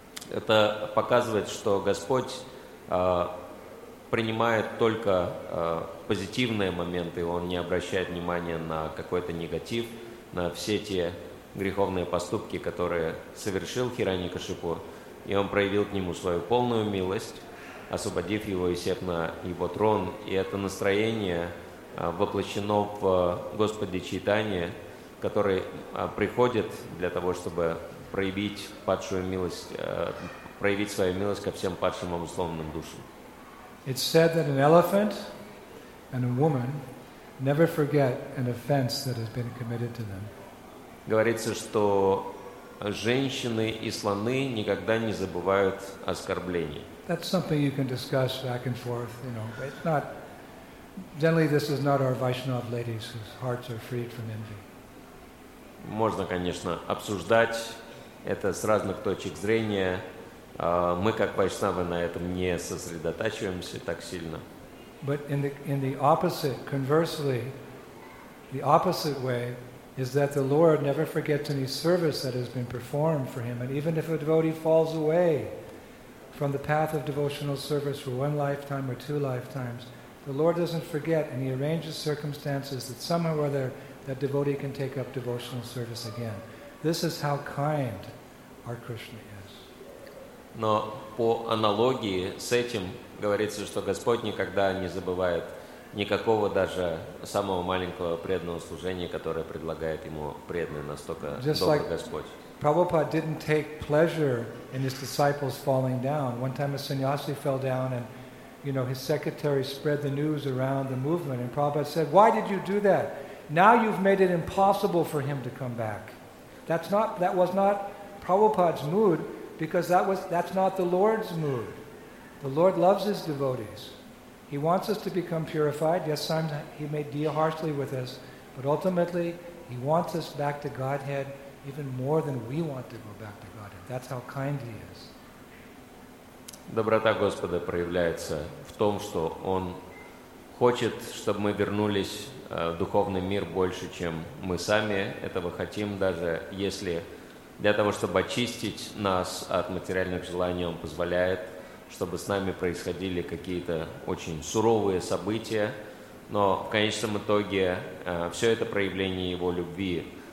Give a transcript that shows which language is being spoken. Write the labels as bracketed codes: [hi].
[ru] Это показывает, что Господь принимает только позитивные моменты, он не обращает внимания на какой-то негатив, на все те греховные поступки, которые совершил Хиранья-Кашипу, и он проявил к нему свою полную милость, освободив его и сев на его трон. И это настроение воплощено в Господе Чайтанье, который приходит для того, чтобы проявить падшую милость, проявить свою милость ко всем падшим обусловленным душам. [en] It's said that an elephant and a woman never forget an offense that has been committed to them. [ru] Говорится, что женщины и слоны никогда не забывают оскорблений. [en] That's something you can discuss back and forth, you know, but it's not, generally this is not our Vaishnav ladies whose hearts are freed from envy. [ru] Можно, конечно, обсуждать это с разных точек зрения. Мы, как вайшнавы, на этом не сосредотачиваемся так сильно. [en] But in the opposite, conversely, the opposite way is that the Lord never forgets any service that has been performed for him. And even if a devotee falls away from the path of devotional service for one lifetime or two lifetimes, the Lord doesn't forget and he arranges circumstances that somehow or other that devotee can take up devotional service again. This is how kind our Krishna is. [ru] Но по аналогии с этим говорится, что Господь никогда не забывает никакого даже самого маленького преданного служения, которое предлагает ему преданный, настолько добрый Господь. [en] Prabhupada didn't take pleasure in his disciples falling down. One time a sannyasi fell down and, you know, his secretary spread the news around the movement and Prabhupada said, why did you do that? Now you've made it impossible for him to come back. That was not Prabhupada's mood. Because that's not the Lord's mood. The Lord loves his devotees. He wants us to become purified. Yes, sometimes he may deal harshly with us, but ultimately he wants us back to Godhead even more than we want to go back to God. That's how kind He is. [ru] Доброта Господа проявляется в том, что Он хочет, чтобы мы вернулись в духовный мир больше, чем мы сами этого хотим, даже если для того, чтобы очистить нас от материальных желаний, Он позволяет, чтобы с нами происходили какие-то очень суровые события, но в конечном итоге все это проявление Его любви.